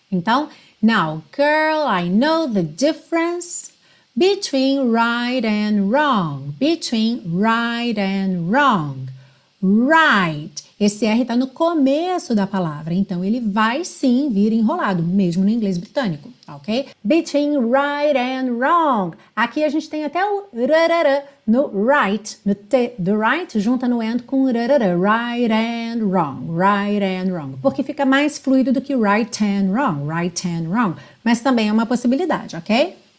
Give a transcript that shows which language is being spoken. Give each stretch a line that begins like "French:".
Portuguese: Então,
English: now, girl, I know the difference between right and wrong. Between right and wrong. Right.
Portuguese: Esse R está no começo da palavra, então ele vai sim vir enrolado, mesmo no inglês britânico, ok?
English: Between right and wrong.
Portuguese: Aqui a gente tem até o rarara no right, no T do right, junta no and com rarara.
English: Right and wrong.
Portuguese: Porque fica mais fluido do que
English: right and wrong.
Portuguese: Mas também é uma possibilidade, ok?